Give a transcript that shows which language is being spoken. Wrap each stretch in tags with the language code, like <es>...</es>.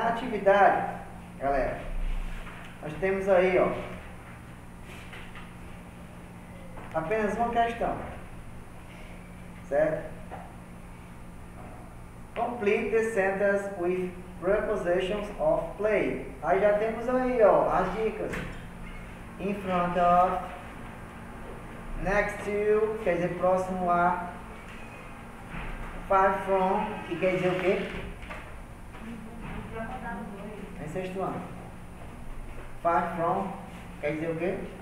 <pt>Na atividade, galera, nós temos aí, ó, apenas uma questão, certo?</pt> <en>Complete the sentence with prepositions of play.</en> <pt>Aí já temos aí, ó, as dicas.</pt> <en>In front of, next to,</en> <pt>quer dizer próximo a,</pt> <en>far from,</en> <pt>que quer dizer o quê? Em sexto ano.</pt> <en>Far from,</en> <pt>quer dizer o quê?</pt>